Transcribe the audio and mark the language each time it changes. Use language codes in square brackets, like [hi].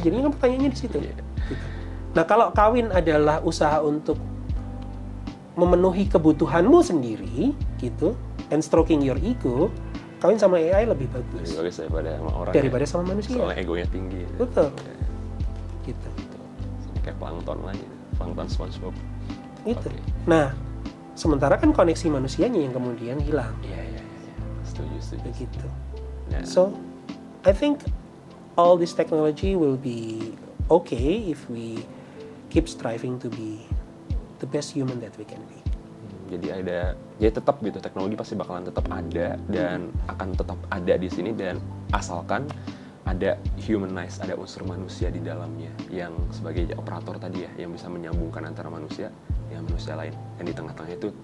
[id] Jadinya kan pertanyaannya di situ. Nah, kalau kawin adalah usaha untuk memenuhi kebutuhanmu sendiri, gitu, [en] and stroking your ego, [id] kawin sama AI lebih bagus. Lebih bagus daripada sama orang. Daripada ya, sama manusia. Soalnya egonya tinggi. Ya. Betul. Ya. Gitu. Kayak plankton lagi, plankton SpongeBob. Gitu. Okay. Nah, sementara kan koneksi manusianya yang kemudian hilang. Iya. Setuju. Begitu. Nah. [en] So, I think all this technology will be okay if we keep striving to be the best human that we can be. [id] Jadi ada, jadi tetap gitu, teknologi pasti bakalan tetap ada dan akan tetap ada di sini, dan asalkan ada humanize, ada unsur manusia di dalamnya yang sebagai operator tadi ya, yang bisa menyambungkan antara manusia dengan manusia lain. Dan di tengah-tengah itu